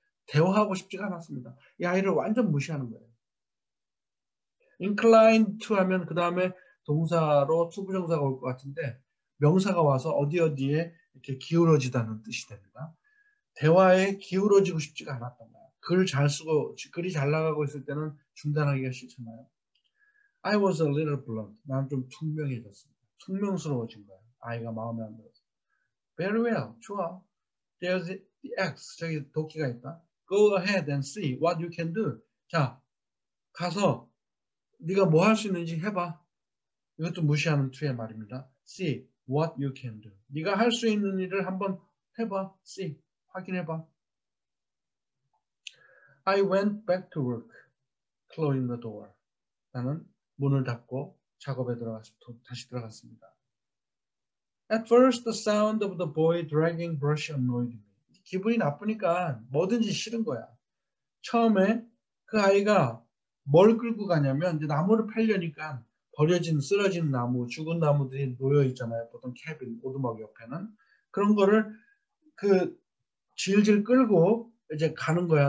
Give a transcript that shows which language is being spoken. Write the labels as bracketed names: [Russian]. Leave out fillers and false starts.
[Korean] 대화하고 싶지가 않았습니다. 이 아이를 완전 무시하는 거예요. inclined to 하면 그 다음에 동사로 투부정사가 올것 같은데, 명사가 와서 어디 어디에 이렇게 기울어지다는 뜻이 됩니다. 대화에 기울어지고 싶지가 않았던 거예요. 글잘 쓰고, 글이 잘 나가고 있을 때는 중단하기가 싫잖아요. [English] I was a little blunt. [Korean] 난좀 퉁명해졌습니다. 퉁명스러워진 거예요. 아이가 마음에 안 들어서. [English] Very well. [Korean] 좋아. [English] There's the axe. [Korean] 저기 도끼가 있다. [English] Go ahead and see what you can do. [Korean] 자, 가서 네가 뭐할수 있는지 해봐. 이것도 무시하는 투의 말입니다. [English] See what you can do. [Korean] 네가 할수 있는 일을 한번 해봐. [English] See. [Korean] 확인해봐. [English] I went back to work, closing the door. [Korean] 나는 문을 닫고 작업에 다시 들어갔습니다. [English] At first, the sound of the boy dragging brush annoyed me. [Korean] 기분이 나쁘니까 뭐든지 싫은 거야. 처음에 그 아이가 뭘 끌고 가냐면, 이제 나무를 팔려니까 버려진, 쓰러진 나무, 죽은 나무들이 놓여 있잖아요. 보통 캐빈, 오두막 옆에는. 그런 거를 그 질질 끌고 이제 가는 거야.